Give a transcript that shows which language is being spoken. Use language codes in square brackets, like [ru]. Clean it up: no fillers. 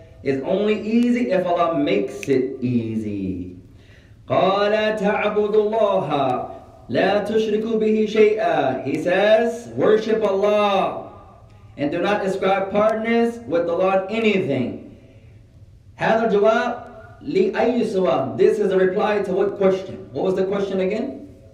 [en] It's only easy if Allah makes it easy. [ar] قَالَ تَعْبُدُ اللَّهَ لَا تُشْرِكُ بِهِ شَيْئًا. [en] He says, worship Allah and do not ascribe partners with the Lord anything. [ar] هذا الجواب لأي سؤال. [en] This is a reply to what question? What was the question again?